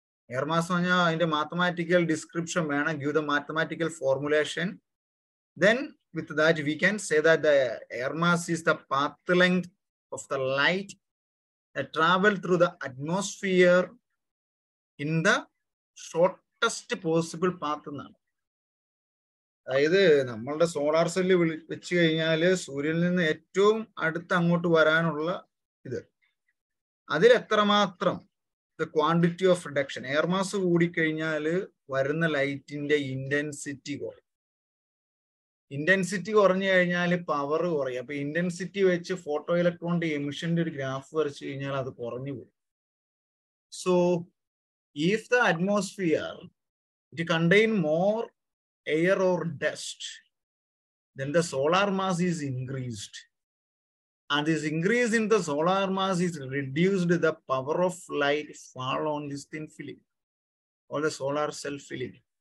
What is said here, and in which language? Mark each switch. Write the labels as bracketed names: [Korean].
[English] Air mass [Malayalam] anya inde [English] mathematical description [Malayalam] vena, [English] give the mathematical formulation. Then with that we can say that the air mass is the path length of the light that travel through the atmosphere in the shortest possible path. [Malayalam] അതായത് നമ്മളുടെ solar cell വെച്ച് കഴിഞ്ഞാൽ സൂര്യനിൽ നിന്ന് ഏറ്റവും അടുത്ത് അങ്ങോട്ട് വരാനുള്ള ഇത്, അതിലെത്രമാത്രം [English] the quantity of reduction, [Malayalam] air mass കൂടിക്കഴിഞ്ഞാൽ വരുന്ന ലൈറ്റിൻ്റെ ഇൻറ്റൻസിറ്റി കുറയും. ഇൻറ്റൻസിറ്റി കുറഞ്ഞു കഴിഞ്ഞാൽ പവർ കുറയും. അപ്പോൾ ഇൻറ്റൻസിറ്റി വെച്ച് ഫോട്ടോ ഇലക്ട്രോണിൻ്റെ എമിഷൻ്റെ ഒരു ഗ്രാഫ് വരച്ച് കഴിഞ്ഞാൽ അത് കുറഞ്ഞു പോകും. [English] So if the atmosphere it contain more air or dust, then the solar mass is increased, and this increase in the solar mass is reduced the power of light fall on this thin film or the solar cell film.